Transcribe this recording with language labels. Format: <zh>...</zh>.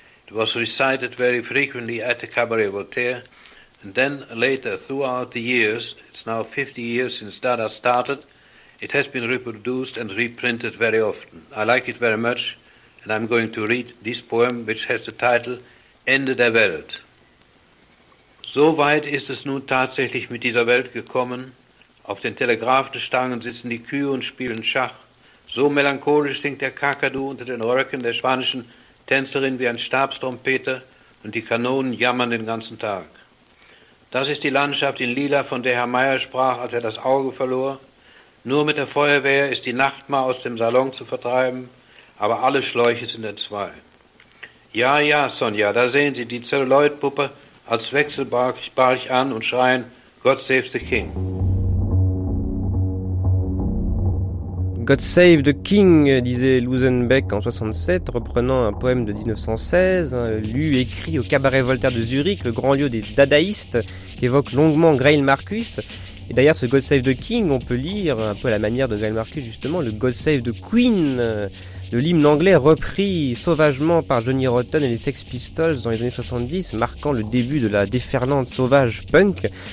<en>It was recited very frequently at the Cabaret Voltaire, and then later throughout the years, it's now 50 years since Dada started, It has been reproduced and reprinted very often. I like it very much, and I'm going to read this poem, which has the title Ende der Welt.</en> <de>So weit ist es nun tatsächlich mit dieser Welt gekommen. Auf den Telegraphenstangen sitzen die Kühe und spielen Schach. So melancholisch singt der Kakadu unter den Röcken der spanischen Tänzerin wie ein Stabstrompeter und die Kanonen jammern den ganzen Tag. Das ist die Landschaft in Lila, von der Herr Meyer sprach, als er das Auge verlor. Nur mit der Feuerwehr ist die Nacht mal aus dem Salon zu vertreiben, aber alle Schläuche sind entzwei. Ja, ja, Sonja, da sehen Sie die Zelluloid-Puppe als Wechselbalg an und schreien,</de> <en>God save the King. God save the King,</en> <fr>disait Lusenbeck en 67, reprenant un poème de 1916, lu, écrit au cabaret Voltaire de Zurich, le grand lieu des dadaïstes, qu'évoque longuement Grail Marcus. Et d'ailleurs, ce God save the King, on peut lire, un peu à la manière de Grail Marcus justement, le God save the Queen, de l'hymne anglais repris sauvagement par Johnny Rotten et les Sex Pistols dans les années 70, marquant le début de la déferlante sauvage punk.</fr>